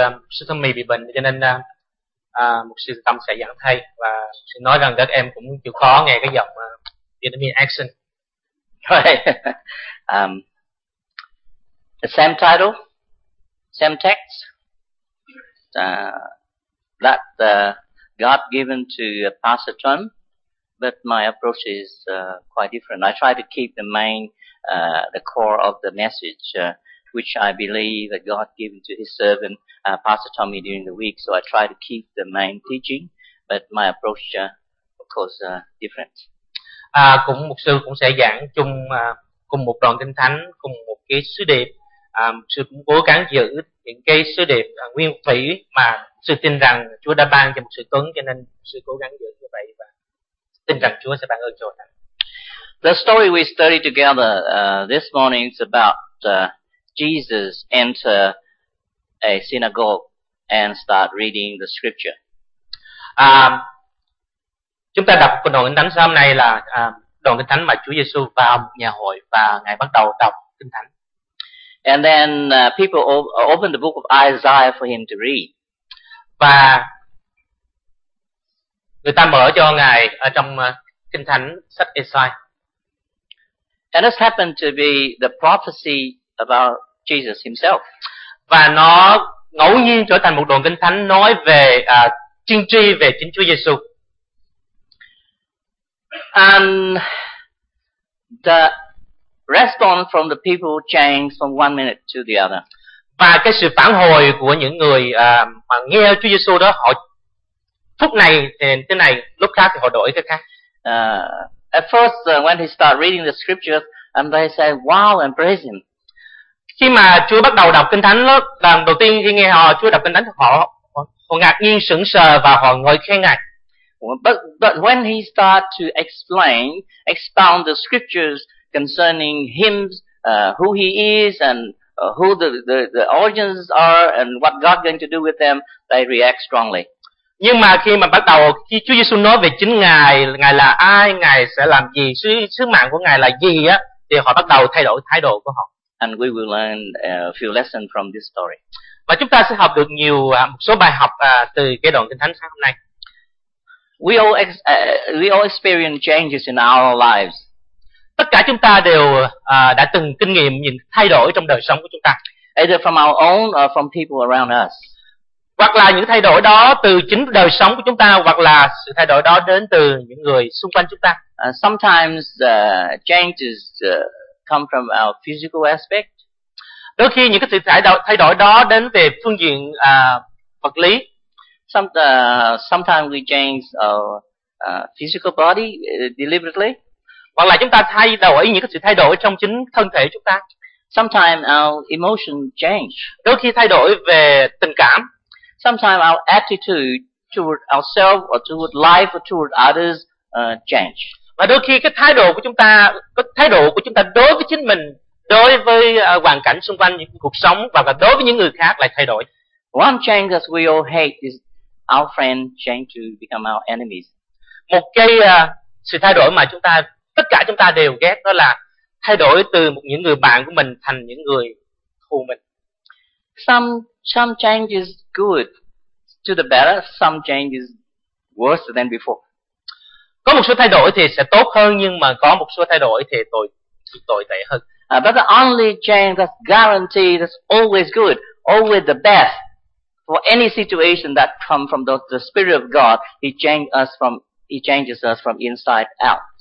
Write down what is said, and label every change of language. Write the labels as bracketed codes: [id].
[vi] Sư Thông Mì bị bệnh cho nên một sư tâm sẽ dẫn thay và sẽ nói rằng các em cũng chịu khó nghe cái giọng [en] Vietnamese accent. Right. The same title, same text that God given to Pastor Tom, but my approach is quite different. I try to keep the main, the core of the message, which I believe that God given to His servant Pastor Tommy during the week. So I try to keep the main teaching, but my approach, of course, different. [vi] Cũng mục sư cũng sẽ giảng chung cùng một đoạn kinh thánh, cùng một cái sứ điệp. Mục sư cũng cố gắng giữ những cái sứ điệp nguyên thủy mà sư tin rằng Chúa đã ban cho mục sư Tuấn, cho nên mục sư cố gắng giữ như vậy và tin rằng Chúa sẽ ban ơn cho thánh. [en] The story we study together this morning is about Jesus enter a synagogue and start reading the scripture. [vi] Chúng ta đọc đoạn kinh thánh sáng hôm nay là đoạn kinh thánh mà Chúa Giêsu vào nhà hội và ngài bắt đầu đọc kinh thánh. [en] And then people open the book of Isaiah for him to read. [vi] Và người ta mở cho ngài ở trong kinh thánh sách Isaiah. [en] And this happened to be the prophecy about Jesus himself. [vi] Và nó ngẫu nhiên trở thành một đoạn kinh thánh nói về tiên tri về chính Chúa Giêsu. [en] And the response from the people changed from one minute to the other. [vi] Và cái sự phản hồi của những người mà nghe Chúa Giêsu đó, họ phút này thế này, lúc khác thì họ đổi cái khác. [en] At first when he started reading the scriptures, and they said, "Wow, and praise him." [vi] Khi mà Chúa bắt đầu đọc kinh thánh đó, lần đầu tiên khi nghe họ Chúa đọc kinh thánh, họ ngạc nhiên sững sờ và họ ngợi khen ngài. [en] But when he start to expound the scriptures concerning him, who he is and who the origins are and what God going to do with them, they react strongly. [vi] Nhưng mà khi mà bắt đầu khi Chúa Giêsu nói về chính ngài, ngài là ai, ngài sẽ làm gì, sứ mạng của ngài là gì á, thì họ bắt đầu thay đổi thái độ của họ. [en] And we will learn a few lessons from this story. [vi] Và chúng ta sẽ học được nhiều một số bài học từ cái đoạn kinh thánh sáng hôm nay. [en] We all experience changes in our lives. [vi] Tất cả chúng ta đều đã từng kinh nghiệm những thay đổi trong đời sống của chúng ta. [en] Either from our own or from people around us. [vi] Hoặc là những thay đổi đó từ chính đời sống của chúng ta, hoặc là sự thay đổi đó đến từ những người xung quanh chúng ta. [en] Sometimes changes come from our physical aspect. [vi] Đôi khi những cái sự thay đổi đó đến về phương diện vật lý. [en] Sometimes we change our physical body deliberately. [vi] Hoặc là chúng ta thay đổi những cái sự thay đổi trong chính thân thể chúng ta. [en] Sometimes our emotion change. [vi] Đôi khi thay đổi về tình cảm. [en] Sometimes our attitude toward ourselves or toward life or toward others change. [vi] Và đôi khi cái thái độ của chúng ta đối với chính mình, đối với hoàn cảnh xung quanh, những cuộc sống và đối với những người khác lại thay đổi. [en] One change that we all hate is our friend change to become our enemies. [vi] Một cái sự thay đổi mà tất cả chúng ta đều ghét, đó là thay đổi từ một những người bạn của mình thành những người thù mình. [en] Some change is good to the better, some change is worse than before. [vi] Có một số thay đổi thì sẽ tốt hơn, nhưng mà có một số thay đổi thì tồi tệ hơn. [en] But the only change that's guaranteed, that's always good, always the best for any situation that come from the Spirit of God, He changes us from inside out.